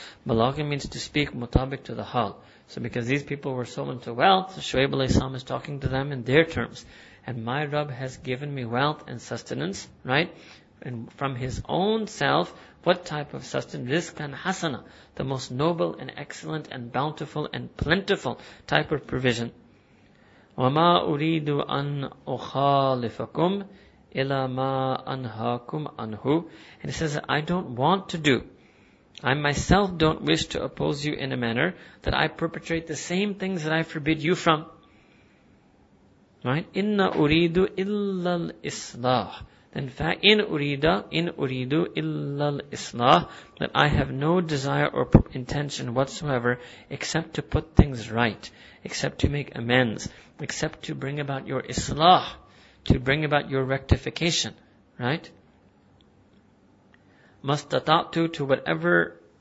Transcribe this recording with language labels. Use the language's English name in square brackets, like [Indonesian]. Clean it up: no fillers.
[English] Balagha means to speak mutabik to the hal. So because these people were so into wealth, Shu'aib alayhi salam is talking to them in their terms. And my Rabb has given me wealth and sustenance, right? And from His own self, what type of sustenance? Rizq and Hasana. The most noble and excellent and bountiful and plentiful type of provision. [Arabic] وَمَا أُرِيدُ أَنْ أُخَالِفَكُمْ إِلَى مَا أَنْهَاكُمْ أَنْهُ. [English] And it says, I don't want to do, I myself don't wish to oppose you in a manner that I perpetrate the same things that I forbid you from. Right? [Arabic] إِنَّ أُرِيدُ إِلَّا الْإِصْلَاحِ. [English] In fact, [Arabic] إِنْ أُرِيدُ إِلَّا الْإِصْلَاحِ, [English] that I have no desire or intention whatsoever except to put things right, except to make amends, except to bring about your إِصْلَاحِ, to bring about your rectification, right? Mastata'tu, to whatever